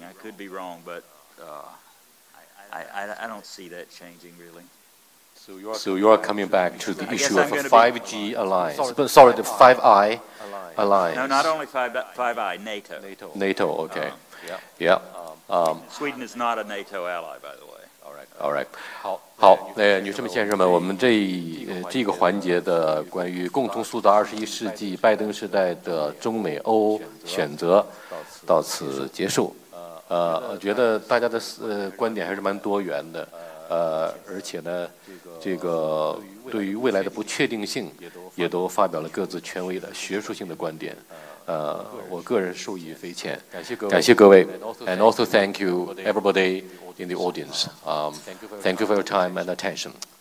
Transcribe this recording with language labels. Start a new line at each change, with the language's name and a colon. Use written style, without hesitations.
English: I could be wrong, but I don't see that changing really. So you are coming back to the issue of a 5G alliance. The 5I alliance. No, not only 5I, NATO. NATO, okay. Yeah. Sweden is not a NATO ally, by the way. All right.
Chinese: 好，女士们、先生们，我们这一个环节的关于共同塑造21世纪拜登时代的中美欧选择到此结束。我觉得大家的观点还是蛮多元的。而且呢，这个对于未来的不确定性也都发表了各自权威的学术性的观点。我个人受益匪浅。感谢各位。
English: And also thank you everybody in the audience. Thank you for your time and attention.